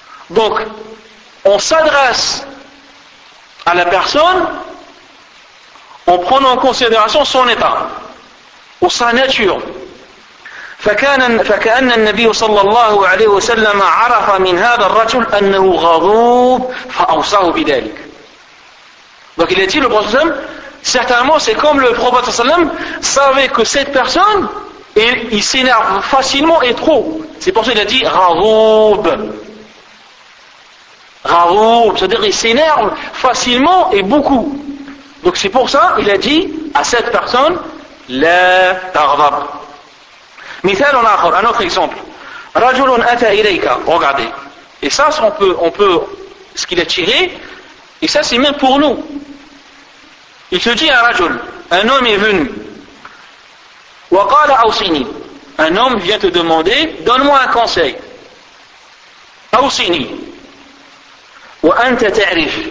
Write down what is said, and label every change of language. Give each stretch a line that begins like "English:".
French: Donc, on s'adresse à la personne en prenant en considération son état ou sa nature.
Arabic: فكان النبي صلى الله عليه وسلم عرف من هذا الرجل أنه غضوب فأوصاه بذلك.
French: Donc il a dit le prophète, certainement c'est comme le prophète sallam savait que cette personne il s'énerve facilement et trop. C'est pour ça qu'il a dit غضوب. غضوب, c'est-à-dire il s'énerve facilement et beaucoup. Donc c'est pour ça qu'il a dit à cette personne
Arabic: لا تغضب. مثال آخر,
French: un autre exemple.
Arabic: رجل أتى إليك, regardez.
French: Et ça, on peut ce qu'il a tiré, et ça c'est même pour nous. Il se dit à Rajul, un homme est venu.
Arabic: وقال أوصيني.
French: Un homme vient te demander, donne-moi un conseil.
Arabic: أوصيني. وأنت تعرف.